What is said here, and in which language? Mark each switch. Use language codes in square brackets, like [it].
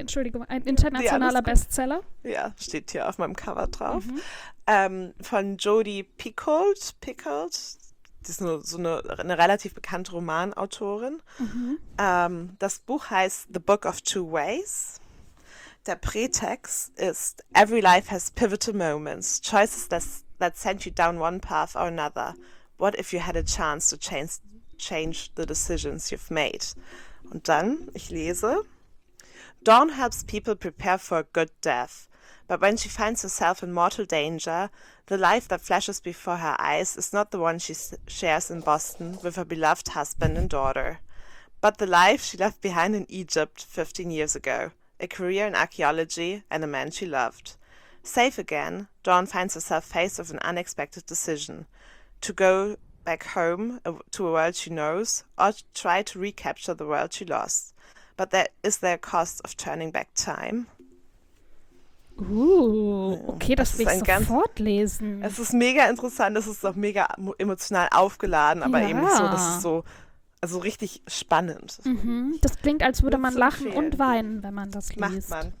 [de] Entschuldigung. Ein Nee, alles internationaler gut. Bestseller. Ja, steht hier auf meinem Cover drauf. Von Jodi Picoult. Picoult. Die ist nur so eine relativ bekannte Romanautorin. Das Buch heißt The Book of Two Ways. Der Prätext ist: [en] Every life has pivotal moments, choices that sent you down one path or another. What if you had a chance to change the decisions you've made? [de] Und dann, ich lese, [en] Dawn helps people prepare for a good death, but when she finds herself in mortal danger, the life that flashes before her eyes is not the one she shares in Boston with her beloved husband and daughter, but the life she left behind in Egypt 15 years ago, a career in archaeology and a man she loved. Safe again, Dawn finds herself faced with an unexpected decision, to go back home to a world she knows or try to recapture the world she lost. But there is there a cost of turning back time? [de] Okay, das will ich sofort lesen. Es ist mega interessant, es ist auch mega emotional aufgeladen, aber eben so, das ist so, also richtig spannend. Mhm, das klingt, als würde man lachen und weinen, wenn man das liest.